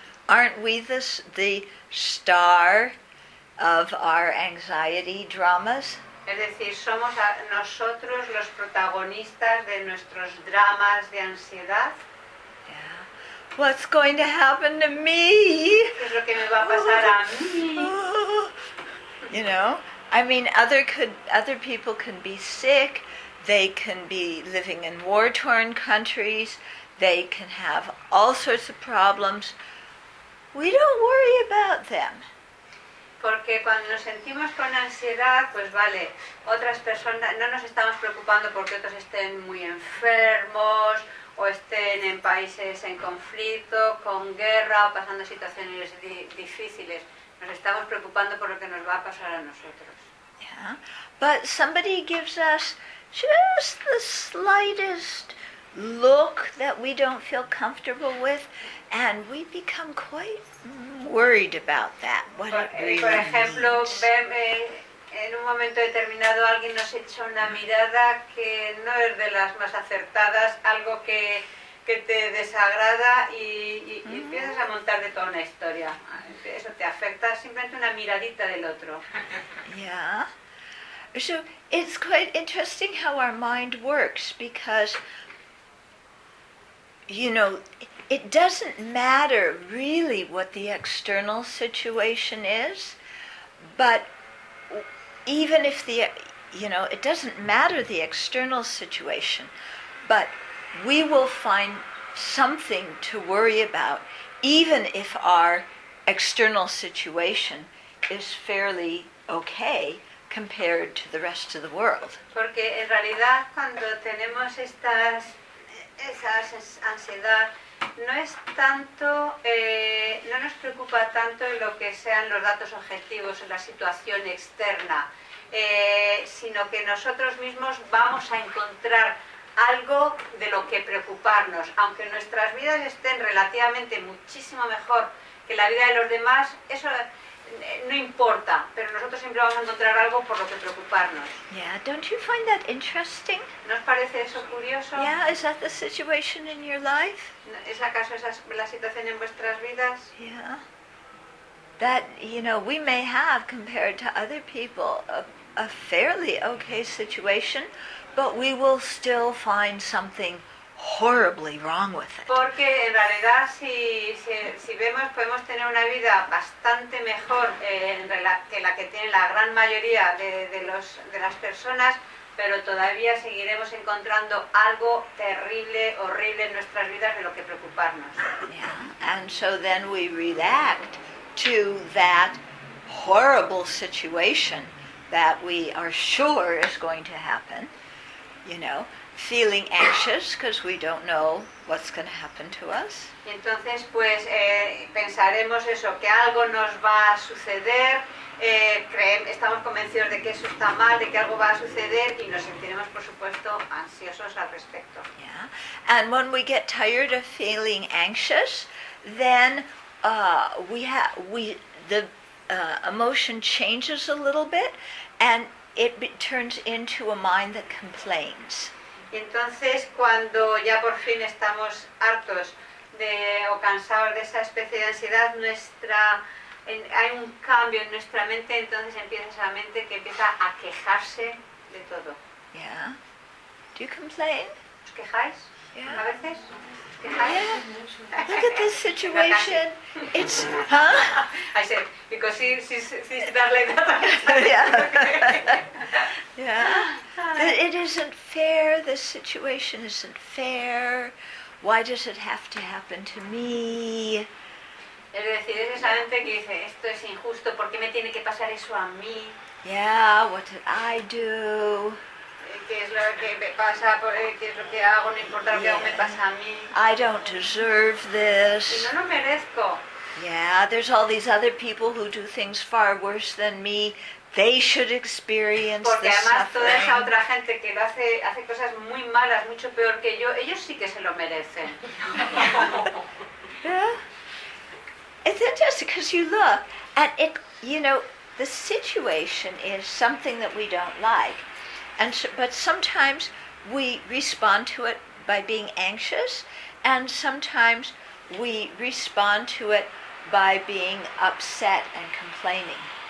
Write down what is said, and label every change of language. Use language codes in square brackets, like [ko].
[en] Aren't we the star of our anxiety dramas? [es] Es decir, somos nosotros los protagonistas de nuestros dramas de ansiedad. [en] Yeah. What's going to happen to me? [es] ¿Qué es lo que me va a pasar a mí? [en] You know? I mean, other people can be sick, they can be living in war-torn countries, they can have all sorts of problems. We don't worry about them. [es] Porque cuando nos sentimos con ansiedad, pues vale, otras personas, no nos estamos preocupando porque otros estén muy enfermos, o estén en países en conflicto, con guerra, o pasando situaciones difíciles. Nos estamos preocupando por lo que nos va a pasar a nosotros. [en] But somebody gives us just the slightest look that we don't feel comfortable with, and we become quite worried about that. What it really means. [es] Por ejemplo, en un momento determinado alguien nos echa una mirada que no es de las más acertadas, algo que te desagrada y empiezas a montar de toda una historia. Eso te afecta simplemente una miradita del otro. [en] Yeah. So it's quite interesting how our mind works because, you know, it doesn't matter really what the external situation is, but even if the, you know, it doesn't matter the external situation, but we will find something to worry about even if our external situation is fairly okay compared to the rest of the world. [es] Porque en realidad cuando tenemos esa ansiedad no es tanto no nos preocupa tanto lo que sean los datos objetivos o la situación externa, sino que nosotros mismos vamos a encontrar algo de lo que preocuparnos. Aunque nuestras vidas estén relativamente muchísimo mejor que la vida de los demás, eso no importa, pero nosotros siempre vamos a encontrar algo por lo que preocuparnos. [en] Yeah, don't you find that interesting? [es] ¿No os parece eso curioso? [en] Yeah, is that the situation in your life? [es] ¿Es acaso esa la situación en vuestras vidas? [en] Yeah. That, you know, we may have, compared to other people, a fairly okay situation, but we will still find something horribly wrong with it. [es] Porque en realidad si vemos, podemos tener una vida bastante mejor que la que tiene la gran mayoría de las personas, pero todavía seguiremos encontrando algo terrible, horrible en nuestras vidas de lo que preocuparnos. [en] Yeah. And so then we react to that horrible situation that we are sure is going to happen, you know, feeling anxious because we don't know what's going to happen to us. [es] Entonces, pues, pensaremos eso, que algo nos va a suceder, estamos convencidos de que eso está mal, de que algo va a suceder, y nos sentiremos, por supuesto, ansiosos al respecto. [en] Yeah. And when we get tired of feeling anxious, then the emotion changes a little bit, and it turns into a mind that complains. [es] Entonces, cuando ya por fin estamos hartos o cansados de esa especie de ansiedad, hay un cambio en nuestra mente, entonces empieza esa mente que empieza a quejarse de todo. [en] Yeah. Do you complain? [es] ¿Os quejáis? [en] Yeah. [es] ¿A veces? [en] Yeah. Look at this situation. It's, huh? I said, because she's that like that. Yeah. Yeah. It isn't fair. This situation isn't fair. Why does it have to happen to me? [es] Es decir, es esa gente que dice, esto es injusto, ¿por qué me tiene que pasar eso a mí? [en] Yeah, what did I do? I don't deserve this. [es] No merezco. [en] Yeah, there's all these other people who do things far worse than me. They should experience this suffering. [es] Porque además toda esa otra gente que lo hace cosas muy malas, mucho peor que yo, ellos sí que se lo merecen. [en] Yeah. It's interesting because you look and it, you know, the situation is something that we don't like. And so, but sometimes we respond to it by being anxious, and sometimes we respond to it by being upset and complaining.